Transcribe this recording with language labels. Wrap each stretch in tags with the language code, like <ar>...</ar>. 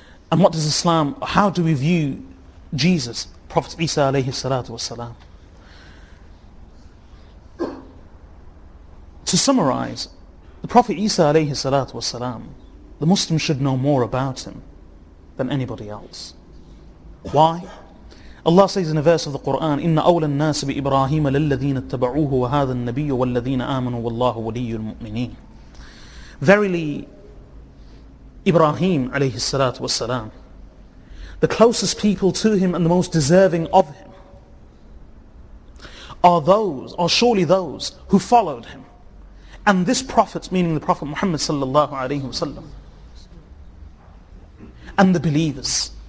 <en>And what does Islam, how do we view Jesus, Prophet Isa alayhi salatu wasalam? To summarize, the Prophet Isa alayhi salatu wasalam, the Muslim should know more about him than anybody else. Why? Allah says in a verse of the Quran,</en> <ar>إِنَّ أَوْلَى النَّاسِ بِإِبْرَاهِيمَ لِلَّذِينَ اتَّبَعُوهُ وَهَذَا النَّبِيُّ وَالَّذِينَ آمَنُوا وَاللَّهُ وَلِيُّ الْمُؤْمِنِينَ.</ar> <en>Verily, Ibrahim alayhi salatu wasalam, the closest people to him and the most deserving of him are surely those who followed him. And this Prophet, meaning the Prophet Muhammad sallallahu alayhi wasallam, and the believers.</en>